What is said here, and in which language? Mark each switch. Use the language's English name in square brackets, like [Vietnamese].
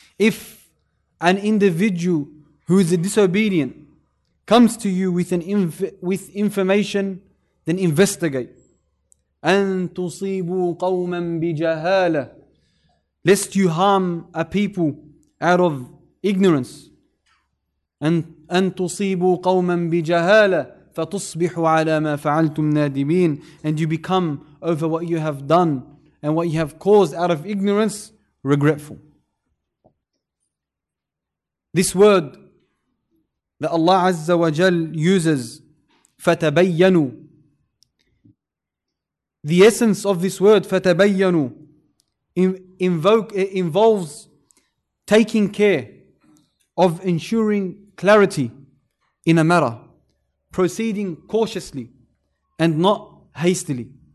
[English] If an individual who is a disobedient comes to you with information, then investigate. [Arabic] أَن تُصِيبُوا قَوْمًا بِجَهَالَةٍ. [English] Lest you harm a people out of ignorance. [Arabic] أن تصيبوا قوما بجهالة فتصبحوا على ما فعلتم نادمين. [English] And you become over what you have done and what you have caused out of ignorance regretful. This word that Allah Azza wa Jal uses, فتبينوا, the essence of this word فتبينوا involves taking care of ensuring clarity in a matter, proceeding cautiously and not hastily.